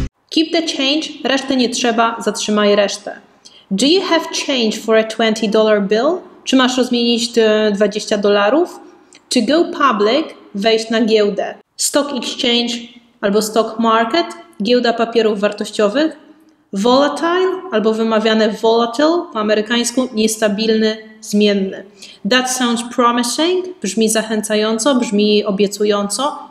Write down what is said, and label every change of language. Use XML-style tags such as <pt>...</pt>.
<en>Keep the change,</en> <pl>resztę nie trzeba, zatrzymaj resztę.</pl> <en>Do you have change for a $20 bill?</en> <pl>Czy masz rozmienić $20?</pl> <en>To go public,</en> <pl>wejść na giełdę. Stock exchange albo stock market, giełda papierów wartościowych. Volatile albo wymawiane volatile, po amerykańsku niestabilny, zmienny.</pl> <en>That sounds promising,</en> <pl>brzmi zachęcająco, brzmi obiecująco.</pl>